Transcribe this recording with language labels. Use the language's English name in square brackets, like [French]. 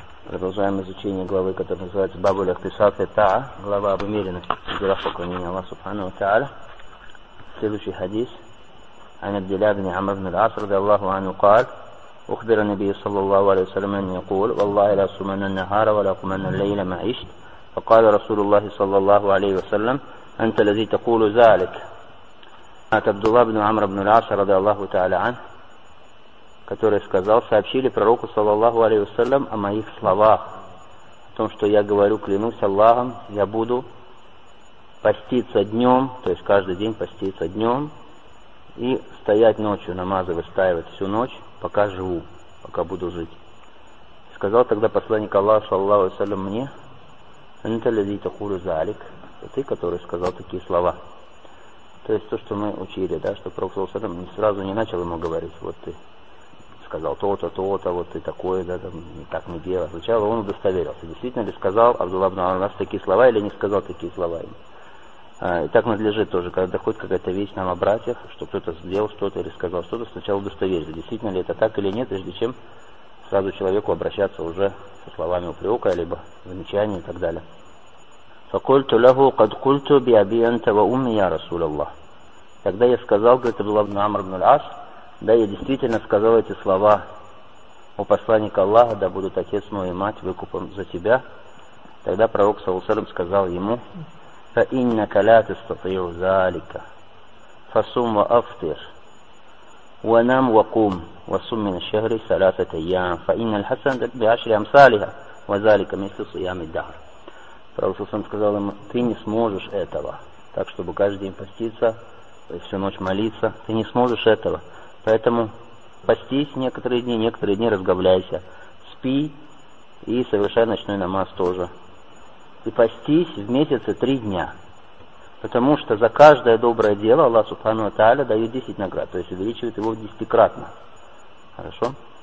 [Russian] Продолжаем изучение главы, которая называется Бабуль Ихтисад Итаа, глава об умеренности, делах поклонения Аллаху Субхану ва Тааля. Следующий хадис. [Arabic] عن عبد الله بن عمرو بن العاص رضي الله عنه قال: أخبر النبي صلى الله عليه وسلم أن يقول: والله لا أصومن النهار ولا أقومن الليل ما عشت. فقال رسول الله صلى الله عليه وسلم: أنت الذي تقول ذلك. [Russian] От Абдулла ибн Амра ибн аль-Аса ради Аллаху Та'аля ан, который сказал: сообщили пророку саллаллаху алейхи ва саллям о моих словах, о том, что я говорю, клянусь Аллахом, я буду поститься днем, то есть каждый день поститься днем, и стоять ночью, намазы выстаивать всю ночь, пока живу, пока буду жить. Сказал тогда посланник Аллаха саллаллаху алейхи ва саллям мне: [Arabic] «Анта лази такулу залик», [Russian] это ты, который сказал такие слова. То есть то, что мы учили, да, что пророк саллаллаху алейхи ва саллям сразу не начал ему говорить: вот ты сказал то-то, то-то, вот ты такой, да, там, и так не делал. Сначала он удостоверился, действительно ли сказал Абдулла ибн Амра такие слова или не сказал такие слова. И так надлежит тоже, когда доходит какая-то вещь нам о братьях, что кто-то сделал что-то или сказал что-то, сначала удостоверится, действительно ли это так или нет, прежде чем сразу человеку обращаться уже со словами упрека, либо замечаний и так далее. [Arabic] فقلت له قد قلت بأبي أنت وأمي يا رسول الله. [Russian] Когда я сказал, говорит Абдулла ибн Амр ибн аль-Ас, да, я действительно сказал эти слова о посланнике Аллаха, да будут отец мой и мать выкупом за тебя. Тогда пророк саллаллаху сказал ему: [Arabic] فإنك لا تستطيع ذلك فصم وأفطر ونام وقم وصم من الشهر ثلاثة أيام فإن الحسنة بعشر أمثالها وذلك مثل صيام الدهر. [Russian] Пророк саллаллаху сказал ему: ты не сможешь этого, так чтобы каждый день поститься, всю ночь молиться, ты не сможешь этого. Поэтому постись некоторые дни разговляйся, спи и совершай ночной намаз тоже. И постись в месяце 3 дня, потому что за каждое доброе дело Аллах Субхану ва Тааля дает 10 наград, то есть увеличивает его 10-кратно. Хорошо?